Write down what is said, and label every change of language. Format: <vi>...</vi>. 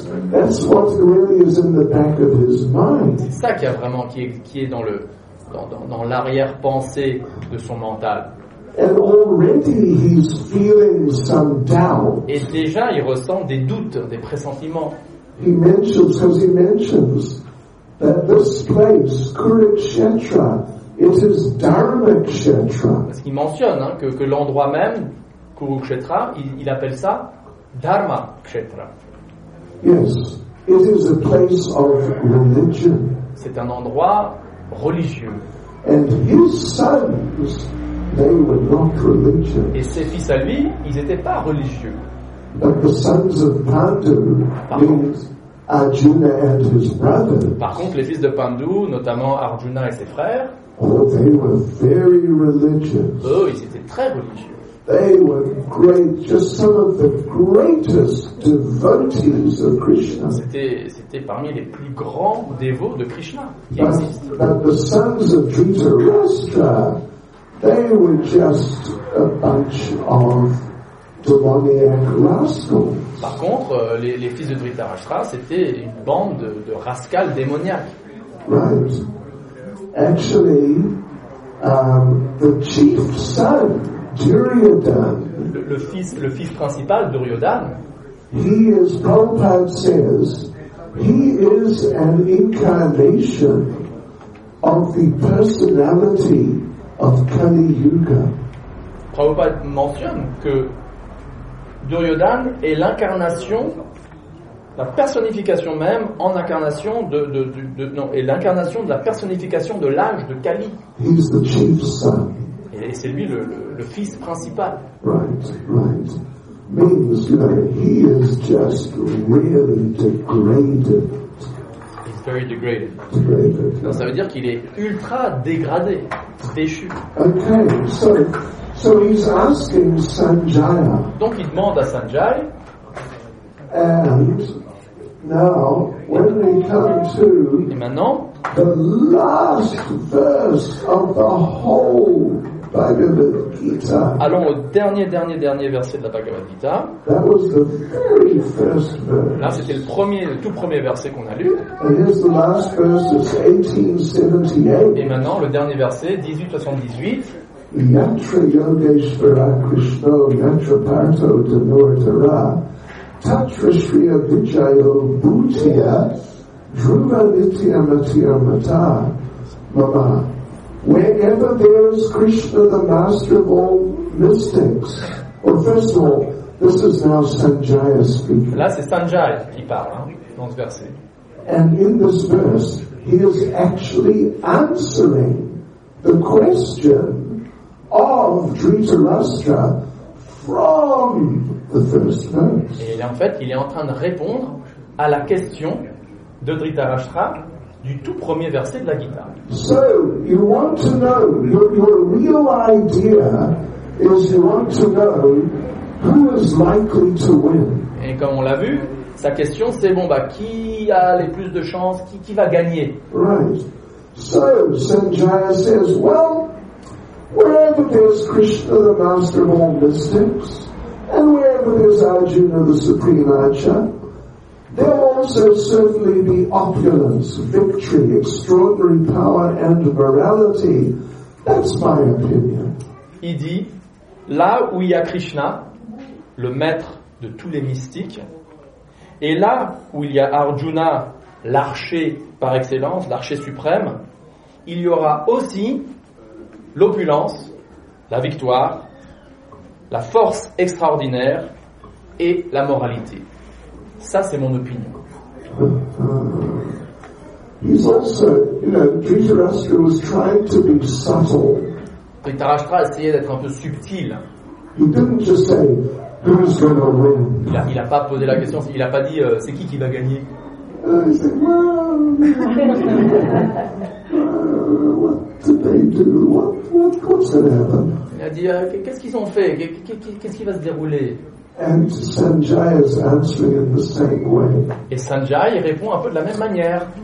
<en>That's what really is in the back of his mind.</en> <fr>C'est ça qui est vraiment qui est dans l'arrière-pensée de son mental.</fr> <en>And already he's feeling some doubt.</en> <fr>Et déjà, il ressent des doutes, des pressentiments.</fr> <en>He mentions that this place, Kurukshetra, it is Dharmakshetra.</en> <fr>Parce qu'il mentionne que l'endroit même, Kurukshetra, il appelle ça Dharmakshetra.</fr> <en>Yes, it is a place of religion.</en> <fr>C'est un endroit religieux.</fr> <en>And his sons, they were not religious.</en> <fr>Et ses fils à lui, ils n'étaient pas religieux.</fr> <en>But the sons of Pandu, Arjuna and his brothers,</en> <fr>par contre, les fils de Pandu, notamment Arjuna et ses frères,</fr> <en>they were very religious.</en> <fr>Eux, ils étaient très religieux.</fr> <en>They were great, just some of the greatest devotees of Krishna.</en> <fr>C'était parmi les plus grands dévots de Krishna qui existent.</fr> <en>But the sons of Dhritarashtra, they were just a bunch of demoniac rascals.</en> <fr>Par contre, les fils de Dhritarashtra, c'était une bande de rascals démoniaques.</fr> <en>Right. Actually, the chief son, Duryodhana,</en> <fr>le fils principal, Duryodhana,</fr> <en>Prabhupada says, he is an incarnation of the personality of Kali Yuga.</en> <fr>Prabhupada mentionne que Duryodhana est l'incarnation, la personnification même en incarnation est l'incarnation de la personnification de l'âge de Kali.</fr> <en>He's the chief son.</en> <fr>Et c'est lui le fils principal.</fr> <en>Right. Means, you know, he is just really degraded. He's very degraded. Degraded.</en> <fr>Donc ça veut dire qu'il est ultra dégradé, déchu.</fr> <en>Okay, so he's asking Sanjaya.</en> <fr>Donc il demande à Sanjay.</fr> <en>And now, when we come to</en> <fr>et maintenant,</fr> <en>the last verse of the whole Bhagavad Gita.</en> <fr>Allons au dernier verset de la Bhagavad Gita.</fr> <en>That was the very first verse.</en> <fr>Là, c'était le tout premier verset qu'on a lu.</fr> <en>And here's the last verse, it's 1878.</en> <fr>Et maintenant, le dernier verset, 1878.</fr> <sa>Yatra Yogeshvara Krishna Yatra Parto Dhanuratara Tatra Shriya Vijayo Bhutiya Dhruva Nitya Matya Mata Mama.</sa> <en>Wherever there is Krishna, the master of all mystics. Well, first of all, this is now Sanjaya speaking.</en> <fr>Là, c'est Sanjaya qui parle, dans ce verset.</fr> <en>And in this verse, he is actually answering the question of Dhritarashtra from the first verse.</en> <fr>Et en fait, il est en train de répondre à la question de Dhritarashtra du tout premier verset de la Gita.</fr> <en>So, you want to know, your real idea is you want to know who is likely to win.</en> <fr>Et comme on l'a vu, sa question c'est qui a les plus de chances, qui va gagner.</fr> <en>Right. So, Sanjaya says, well, wherever there's Krishna, the master of all mystics, and wherever there's Arjuna, the supreme archer, there will also certainly be opulence, victory, extraordinary power and morality. That's my opinion.</en> <fr>Il dit, là où il y a Krishna, le maître de tous les mystiques, et là où il y a Arjuna, l'archer par excellence, l'archer suprême, il y aura aussi l'opulence, la victoire, la force extraordinaire et la moralité. Ça, c'est mon opinion.</fr> <en>He's also, you know, Dhritarashtra was trying to be subtle.</en> <fr>Dhritarashtra a essayé d'être un peu subtil.</fr> <en>He didn't just say, who's going to win?</en> <fr>Il a pas posé la question, il a pas dit, c'est qui va gagner? Il a dit, qu'est-ce qu'ils ont fait? Qu'est-ce qui va se dérouler?</fr> <en>And Sanjay is answering in the same way.</en> <fr>Et Sanjay répond un peu de la même manière.</fr>